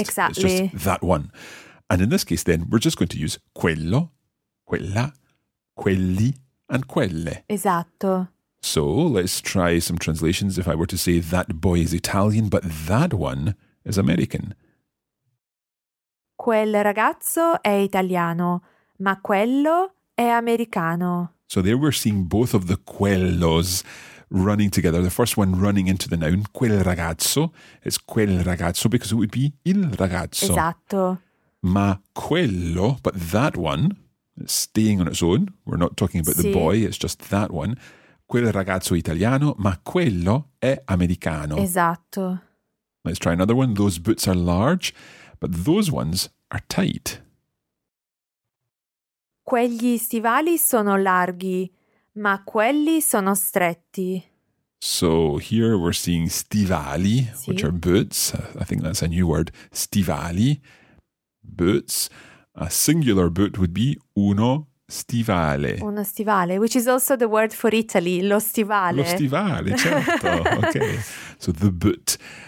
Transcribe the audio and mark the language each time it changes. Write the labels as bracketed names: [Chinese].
[English] Exactly. It's just that one. And in this case, then, we're just going to use quello, quella, quelli, and quelle. [Italian] Esatto. [English] So let's try some translations. If I were to say that boy is Italian, but that one is American. [Italian] Quel ragazzo è italiano, ma quello è americano. [English] So there we're seeing both of the quellos running together. The first one running into the noun, quel ragazzo. It's quel ragazzo because it would be il ragazzo. [Italian] Esatto. Ma quello, [English] but that one, staying on its own. We're not talking about [Italian] sì. [English] The boy, it's just that one. [Italian] Quel ragazzo italiano, ma quello è americano. Esatto. [English] Let's try another one. Those boots are large, but those ones are tight. [Italian] Quegli stivali sono larghi, ma quelli sono stretti. [English] So here we're seeing stivali, [Italian] sì. [English] Which are boots. I think that's a new word. Stivali. boots. A singular boot would be uno stivale. Uno stivale, which is also the word for Italy, lo stivale. [Italian] Lo stivale, certo. [English] Okay. So the boot.